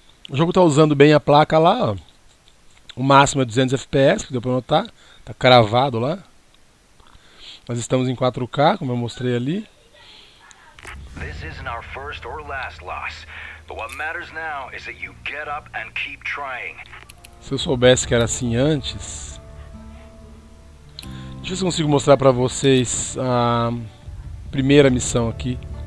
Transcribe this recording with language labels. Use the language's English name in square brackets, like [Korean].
[Portuguese] O jogo tá usando bem a placa lá, ó. O máximo é 200 FPS, que deu pra notar. Tá cravado lá. Nós estamos em 4K, como eu mostrei ali. [English] This isn't our first or last loss, but what matters now is that you get up and keep trying. [Portuguese] Se eu soubesse que era assim antes. Deixa eu ver se consigo mostrar pra vocês a primeira missão aqui.